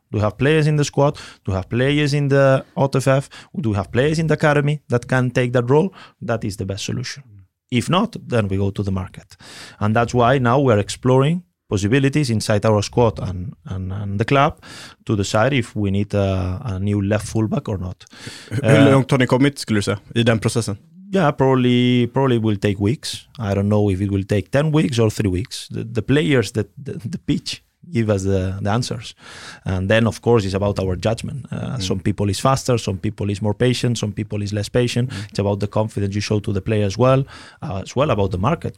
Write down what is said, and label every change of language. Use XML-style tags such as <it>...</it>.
<en>Do we have players in the squad? Do we have players in the OTFF? Do we have players in the academy that can take that role? That is the best solution. If not, then we go to the market. And that's why now we're exploring possibilities inside our squad and the club to decide if we need a new left fullback or not.</en> <sv>Hur långt har ni kommit, skulle du säga, i den processen?</sv> <en>Yeah, probably will take weeks. I don't know if it will take 10 weeks or 3 weeks. The players, the pitch give us the answers. And then, of course, it's about our judgment. Some people is faster, some people is more patient, some people is less patient. It's about the confidence you show to the player as well about the market.</en>